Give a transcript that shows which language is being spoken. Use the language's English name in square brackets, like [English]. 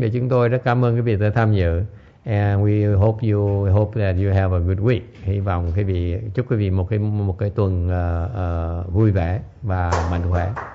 [Vietnamese] Để chúng tôi rất cảm ơn quý vị đã tham dự. [English] And we hope that you have a good week. [Vietnamese] Hy vọng quý vị, chúc quý vị một cái tuần vui vẻ và mạnh khỏe.